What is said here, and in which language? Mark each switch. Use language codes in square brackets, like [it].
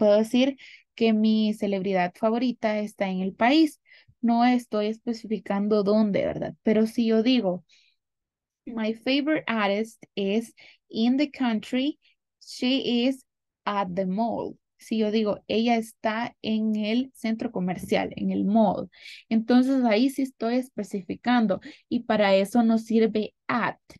[es] Puedo decir que mi celebridad favorita está en el país. No estoy especificando dónde, ¿verdad? Pero si yo digo, [en] my favorite artist is in the country, she is at the mall. [es] Si yo digo, ella está en el centro comercial, en el mall. Entonces ahí sí estoy especificando y para eso nos sirve at.